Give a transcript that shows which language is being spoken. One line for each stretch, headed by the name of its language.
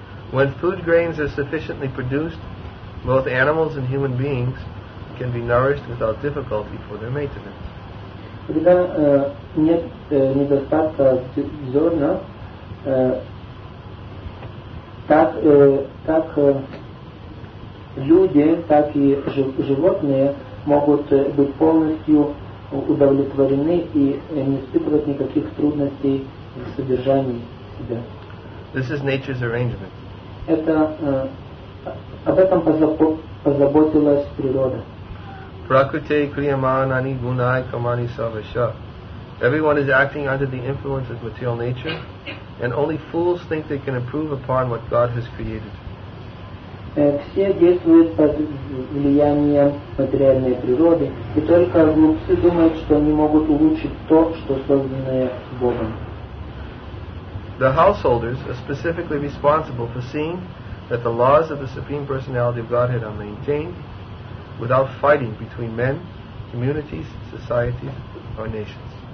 English: When food grains are sufficiently produced, both animals and human beings can be nourished without difficulty for their maintenance.
Russian: Когда нет недостатка зерна, так люди, так и животные могут быть полностью удовлетворены и не испытывать никаких трудностей в содержании себя.
English: This is nature's arrangement.
Russian: Это об этом позаботилась природа.
Sanskrit: Prakrite kriyamanani gunai kamani savasya.
English: Everyone is acting under the influence of material nature, and only fools think they can improve upon what God has created.
Russian: Все действуют под влиянием материальной природы, и только глупцы думают, что они могут улучшить то, что созданное Богом. The householders are specifically responsible for seeing that the laws of the Supreme Personality of Godhead are maintained without fighting between men, communities, societies, or nations.